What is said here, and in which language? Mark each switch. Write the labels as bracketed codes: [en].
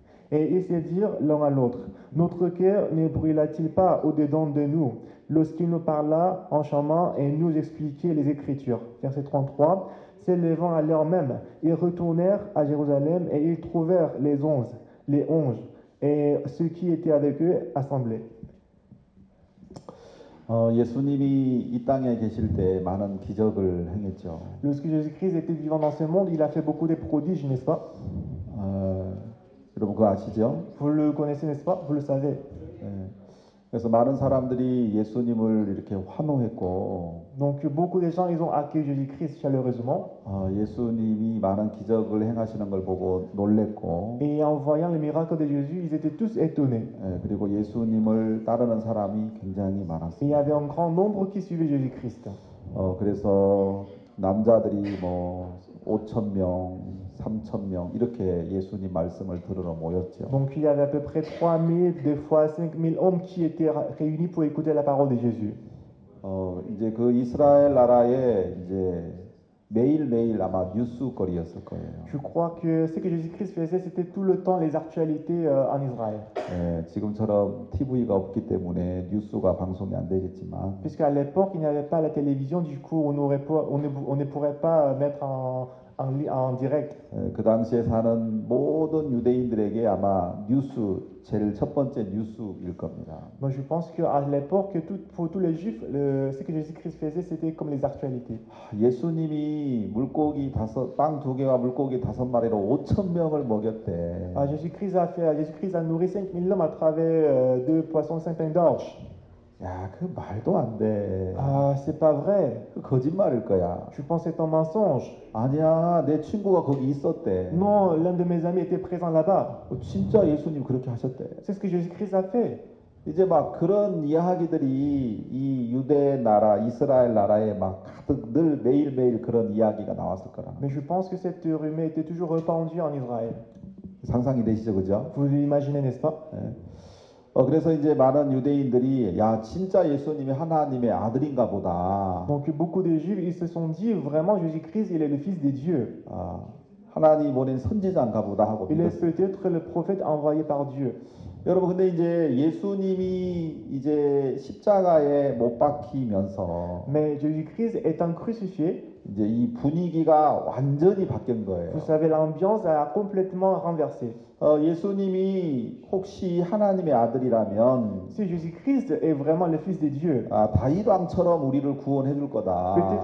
[fr] Et ils se dirent l'un à l'autre, notre cœur ne brûla-t-il pas au-dedans de nous, lorsqu'il nous parla en chemin et nous expliquait les Écritures. Verset 33, s'élevant à l'heure même, ils retournèrent à Jérusalem et ils trouvèrent les onze, et ceux qui étaient avec eux assemblés. [ko] 예수님이 이 땅에 계실 때 많은 기적을 행했죠. [fr] Lorsque Jésus-Christ était vivant dans ce monde, il a fait beaucoup de prodiges, n'est-ce pas? [ko] 여러분 그거 아시죠? [fr] Vous le connaissez, n'est-ce pas? Vous le savez. [ko] 네. 그래서 많은 사람들이 예수님을 이렇게 환호했고. [fr] Donc beaucoup de gens ils ont accueilli Jésus-Christ chaleureusement. [ko] 예수님이 많은 기적을 행하시는 걸 보고 놀랬고. [fr] Et en voyant les miracles de Jésus, ils étaient tous étonnés. [ko] 예, 그리고 예수님을 따르는 사람이 굉장히 많았어요. [fr] Il y avait un grand nombre qui suivait Jésus-Christ. [ko] 그래서 남자들이 뭐 5천 명, 3천 명 이렇게 예수님 말씀을 들으러 모였죠. [fr] Donc il y avait à peu près 3000 des fois 5000 hommes qui étaient réunis pour écouter la parole de Jésus. [ko] 이제 그 이스라엘 나라에 이제 매일매일 아마 뉴스거리였을 거예요. [fr] Je crois que ce que Jésus-Christ faisait c'était tout le temps les actualités en Israël. [ko] 예, 지금처럼 TV가 없기 때문에 뉴스가 방송이 안 되겠지만 [fr] Puisque à l'époque il n'y avait pas la télévision du coup on ne pourrait pas mettre en direct. [ko] 그 당시에 사는 모든 유대인들에게 아마 뉴스 제일 첫 번째 뉴스일 겁니다. [fr] Moi je pense que à l'époque pour tous les Juifs ce que Jésus-Christ faisait c'était comme les actualités. [ko] 예수님이 물고기 다섯 빵 두 개와 물고기 다섯 마리로 5천 명을 먹였대. [fr] Jésus-Christ a nourri 5000 hommes à travers deux poissons, cinq pains d'orge. [ko] 야, 그 말도 안 돼. [fr] 아, c'est pas vrai. [ko] 거짓말일 거야. [fr] Tu penses être un mensonge? [ko] 아니야, 내 친구가 거기 있었대. [fr] Non, l'un de mes amis était présent là-bas. [ko] 진짜 예수님 그렇게 하셨대. [fr] C'est ce que Jésus-Christ a fait. [ko] 이제 막 그런 이야기들이 이 유대 나라, 이스라엘 나라에 막 가득 늘 매일매일 그런 이야기가 나왔을 거라는 [fr] Mais je pense que cette rumeur était toujours répandue en Israël. [ko] 상상이 되시죠, 그죠? [fr] Vous imaginez, n'est-ce pas? [ko] 네. 그래서 이제 많은 유대인들이 야, 진짜 예수님이 하나님의 아들인가 보다. [fr] Donc beaucoup de Juifs, ils se sont dit vraiment Jésus-Christ, il est le fils de Dieu. [ko] 하나님 보낸 선지자인가 보다 하고 [fr] Il [ko] 믿었어요. [fr] est peut-être le prophète envoyé par Dieu. [ko] 여러분, 근데 이제 예수님이 이제 십자가에 못 박히면서 [fr] Mais Jésus-Christ étant crucifié, [ko] 이제 이 분위기가 완전히 바뀐 [fr] Vous [ko] 거예요. [fr] savez, l'ambiance a complètement renversé. [ko] 예수님이 혹시 하나님의 아들이라면 [fr] Si Jésus-Christ est vraiment le fils de Dieu, [ko] 다윗 왕처럼 우리를 구원해 줄 거다.